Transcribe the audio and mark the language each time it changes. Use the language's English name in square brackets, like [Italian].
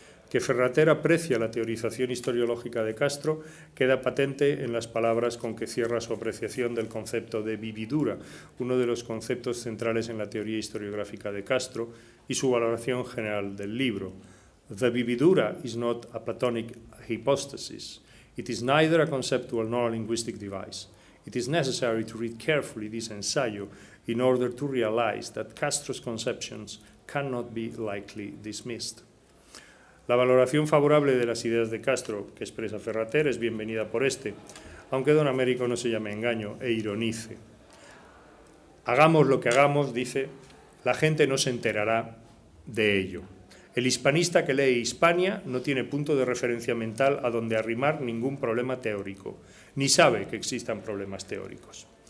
[Spanish] Que Ferrater aprecia la teorización historiológica de Castro queda patente en las palabras con que cierra su apreciación del concepto de vividura, uno de los conceptos centrales en la teoría historiográfica de Castro, y su valoración general del libro. [English] The vividura is not a platonic hypostasis. It is neither a conceptual nor a linguistic device. It is necessary to read carefully this ensayo in order to realize that Castro's conceptions cannot be lightly dismissed. [Spanish] La valoración favorable de las ideas de Castro, que expresa Ferrater, es bienvenida por este, aunque don Américo no se llame engaño e ironice. Hagamos lo que hagamos, dice, la gente no se enterará de ello. El hispanista que lee Hispania no tiene punto de referencia mental a donde arrimar ningún problema teórico, ni sabe que existan problemas teóricos.